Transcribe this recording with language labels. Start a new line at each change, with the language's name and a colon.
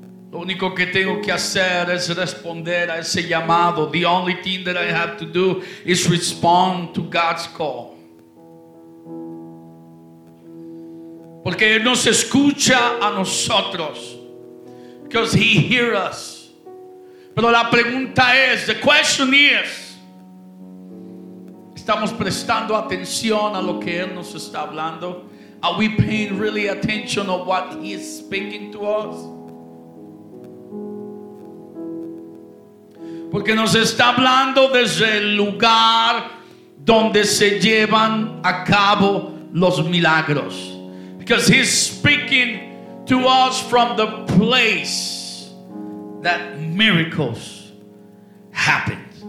Spanish: Lo único que tengo que hacer es responder a ese llamado.
English: The only thing that I have to do is respond to God's call.
Spanish: Porque Él nos escucha a nosotros.
English: Because He hears us.
Spanish: Pero la pregunta es,
English: the question is,
Spanish: ¿estamos prestando atención a lo que Él nos está hablando?
English: Are we paying really attention to what He is speaking to us?
Spanish: Porque nos está hablando desde el lugar donde se llevan a cabo los milagros.
English: Because He's speaking to us from the place that miracles happened.